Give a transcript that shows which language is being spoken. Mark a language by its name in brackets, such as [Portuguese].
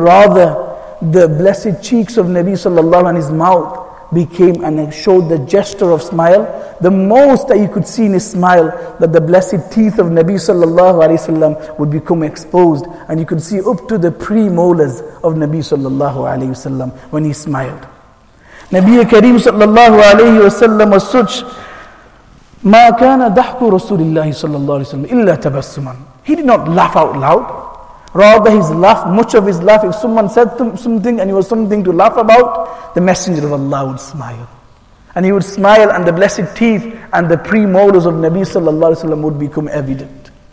[English] Rather, the blessed cheeks of Nabi sallallahu alayhi wa sallam and his mouth became and showed the gesture of smile. The most that you could see in his smile, that the blessed teeth of Nabi sallallahu alayhi wa sallam would become exposed, and you could see up to the premolars of Nabi sallallahu alayhi wa sallam when he smiled. Nabi Kareem sallallahu alayhi wa sallam was such, [Arabic] مَا كَانَ دَحْكُ رَسُولِ اللَّهِ صَلَّى اللَّهُ عَلَيْهِ وَسَلَّمُ إِلَّا تَبَسُّمًا. [English] He did not laugh out loud. Rather, his laugh, much of his laugh, if someone said something and he was something to laugh about, the Messenger of Allah would smile. And he would smile and the blessed teeth and the premolars of Nabi sallallahu alayhi wa sallam would become evident.